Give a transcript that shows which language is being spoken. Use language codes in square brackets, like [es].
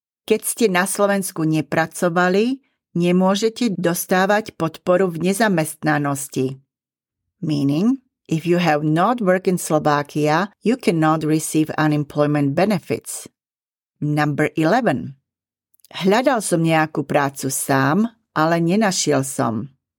[sk] Keď ste na Slovensku nepracovali, nemôžete dostávať podporu v nezamestnanosti. [en] Meaning, if you have not worked in Slovakia, you cannot receive unemployment benefits. Number 11. [sk] Hľadal som nejakú prácu sám, ale nenašiel som.